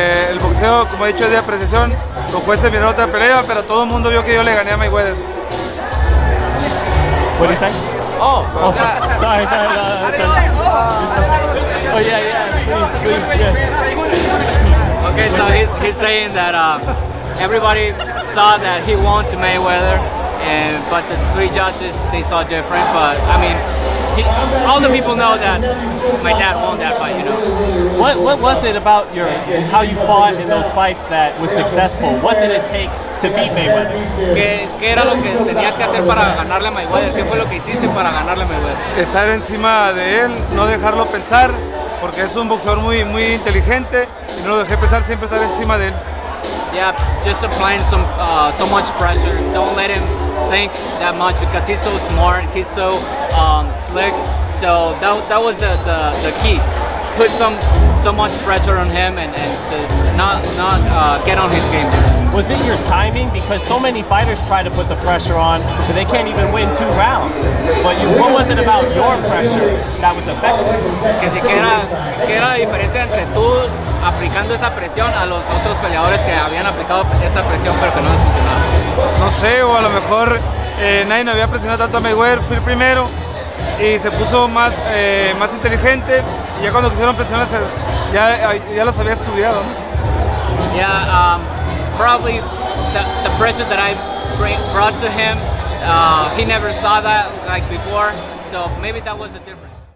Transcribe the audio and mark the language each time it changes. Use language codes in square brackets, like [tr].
[es] El boxeo, como he dicho, es de apreciación. Los jueces miraron otra pelea, pero todo el mundo vio que yo le gané a Mayweather. ¿Qué dices? [en] Okay, so he's saying that everybody saw that he won to Mayweather, and but the three judges, they saw different. But I mean, all the people know that my dad won that fight, you know. What was it about your how you fought in those fights that was successful? What did it take to beat Mayweather? [es] ¿Qué era lo que tenías que hacer para ganarle a Mayweather? ¿Qué fue lo que hiciste para ganarle a Mayweather? Estar encima de él, no dejarlo pensar, porque es un boxeador muy muy inteligente y no lo dejé pensar, siempre estar encima de él. [en] Yeah, just applying some so much pressure. Don't let him think that much because he's so smart, he's so slick. So that was the key. Put so much pressure on him and to not get on his game. Was it your timing? Because so many fighters try to put the pressure on, so they can't even win two rounds. But what was it about your pressure that was effective? [es] Que si que era la diferencia entre tú aplicando esa presión a los otros peleadores que habían aplicado esa presión pero que no les funcionaba. No sé, o a lo mejor nadie me había presionado tanto a Mayweather, fui el primero. Y se puso más, más inteligente, y ya cuando quisieron presionarse, ya los había estudiado, ¿no? [en] Yeah, probably the pressure that I brought to him, he never saw that like before, so maybe that was the difference.